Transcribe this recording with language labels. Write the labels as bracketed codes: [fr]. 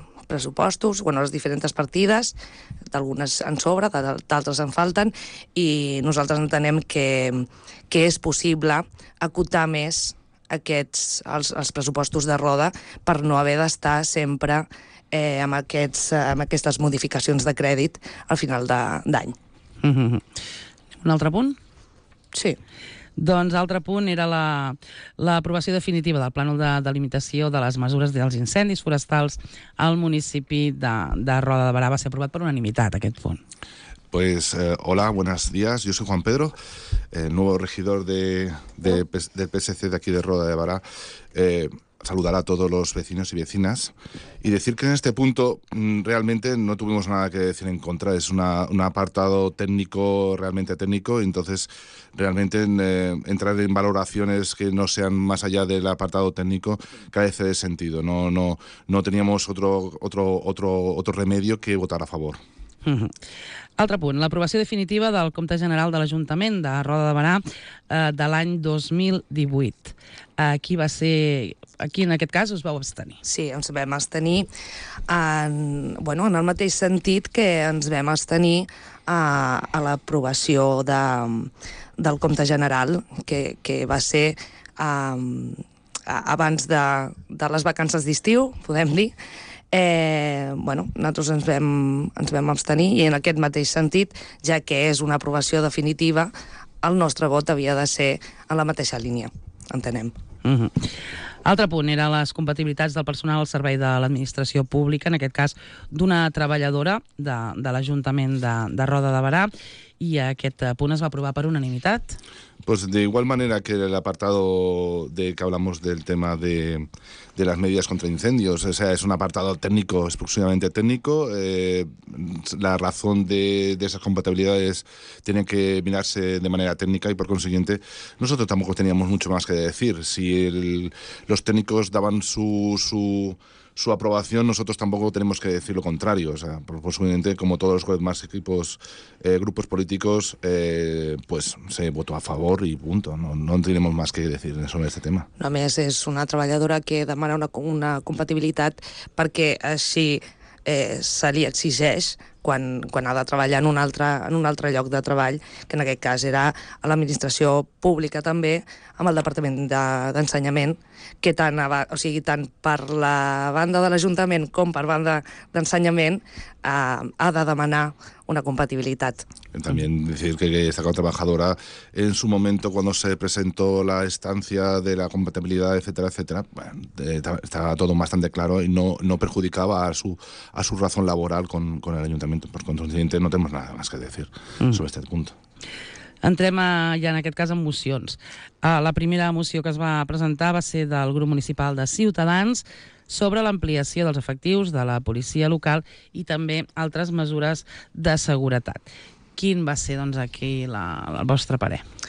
[ca] pressupostos, bueno, les diferents partides, d'algunes en sobra, d'altres en falten, i nosaltres entenem que és possible acotar més aquests, els pressupostos de Roda, per no haver d'estar sempre amb aquestes modificacions de crèdit al final d'any. Un altre punt? Sí. Doncs, altre punt era l'aprovació definitiva del plànol de delimitació de les mesures dels incendis forestals al municipi de Roda de Barà. Va ser aprovat per unanimitat, aquest punt. [es] Pues, hola, buenos días. Yo soy Juan Pedro, nuevo regidor de PSC de aquí de Roda de Barà. Saludar a todos los vecinos y vecinas y decir que en este punto realmente no tuvimos nada que decir en contra. Es un apartado técnico, realmente técnico, y entonces realmente entrar en valoraciones que no sean más allá del apartado técnico carece de sentido. No teníamos otro remedio que votar a favor. [ca] Altre punt, l'aprovació definitiva del Compte General de l'Ajuntament de Roda de Barà de l'any 2018. Qui va ser... Aquí, en aquest cas, us vau abstenir. Sí, ens vam abstenir en el mateix sentit que ens vam abstenir a l'aprovació del Compte General, que va ser abans de les vacances d'estiu, podem dir. Nosaltres ens vam abstenir, i en aquest mateix sentit, ja que és una aprovació definitiva, el nostre vot havia de ser en la mateixa línia, entenem. Altre punt era les compatibilitats del personal al servei de l'administració pública, en aquest cas d'una treballadora de l'Ajuntament de Roda de Barà, i aquest punt es va aprovar per unanimitat. [es] Pues de igual manera que el apartado de que hablamos del tema de las medidas contra incendios, o sea, es un apartado técnico, exclusivamente técnico. La razón de esas compatibilidades tiene que mirarse de manera técnica, y por consiguiente nosotros tampoco teníamos mucho más que decir. Si los técnicos daban su aprobación, nosotros tampoco tenemos que decir lo contrario. O sea, por supuesto, como todos los demás equipos, grupos políticos, pues se votó a favor y punto. No tenemos más que decir sobre este tema. [ca] A més, és una treballadora que demana una compatibilitat perquè així se li exigeix quan ha de treballar en un altre lloc de treball, que en aquest cas era a l'administració pública també, amb el Departament d'Ensenyament, que tant, o sigui, tant per la banda de l'Ajuntament com per banda d'Ensenyament ha de demanar una compatibilitat. [es] También decir que esta trabajadora, en su momento, cuando se presentó la estancia de la compatibilidad, etcétera, etcétera, bueno, estaba todo bastante claro y no perjudicaba a su razón laboral con el ayuntamiento. Por consiguiente, no tenemos nada más que decir sobre este punto. [ca] Entrem ja en aquest cas en mocions. La primera moció que es va presentar va ser del grup municipal de Ciutadans sobre l'ampliació dels efectius de la policia local i també altres mesures de seguretat. Quin va ser, doncs, aquí el vostre parer?